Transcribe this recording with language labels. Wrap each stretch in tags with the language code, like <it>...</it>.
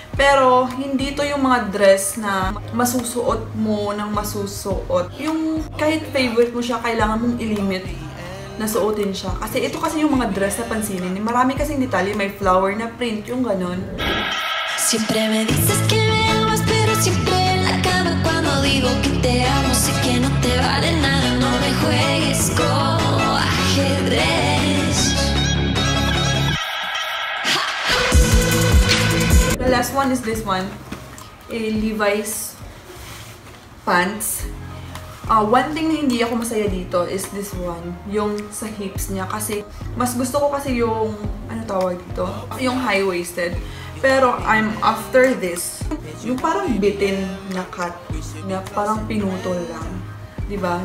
<tl>Pero hindi to yung mga dress na masusuot mo ng masusuot. Yung kahit favorite mo siya, kailangan mong ilimit na suotin siya. Kasi ito kasi yung mga dress na pansinin. Marami kasing detalye, may flower na print, yung ganun.</tl> <es>Siempre me dices que me amas, pero siempre en la cama cuando digo que te amo, sé que no te vale nada, no me juegues como ajedrez.</es> <en>The last one is this one, a Levi's pants. One thing</en> <tl>na hindi ako masaya dito</tl> <en>is this one,</en> <tl>yung sa hips niya. Kasi mas gusto ko kasi yung, ano tawag dito? Yung high-waisted. Pero</tl> <en>I'm after this.</en> <tl>Yung parang bitin na cut, na parang pinutol lang. Diba?</tl>